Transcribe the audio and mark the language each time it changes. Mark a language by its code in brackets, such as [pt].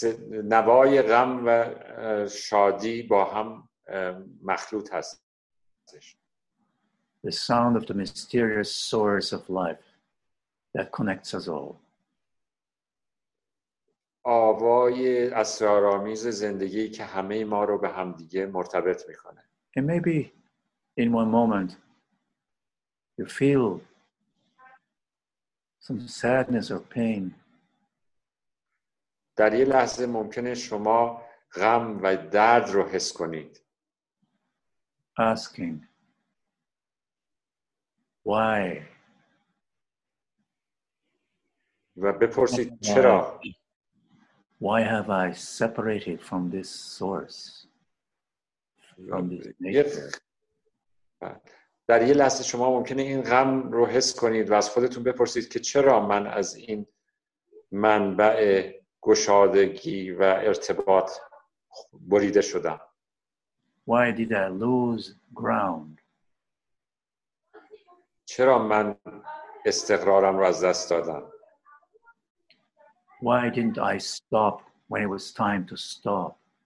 [fa] نوای غم و شادی با هم مخلوط هستش. [en] The sound of the mysterious source of life that connects us all. [fa] آوای اسرارآمیز زندگی که همه ما رو به هم دیگه مرتبط میکنه. [en] And maybe in one moment you feel some sadness or pain. [fa] در یه لحظه ممکنه شما غم و درد رو حس کنید. [en] Asking. Why? [fa] و بپرسید چرا؟ [en] Why have I separated from this source? From this [fa] در یه لحظه شما ممکنه این غم رو حس کنید و از خودتون بپرسید که چرا من از این منبع گشادگی و ارتباط بریده شدم؟ [en] Why did I lose ground? [fa] چرا من استقرارم رو از دست دادم؟ [en] Why didn't I stop when it was time to stop?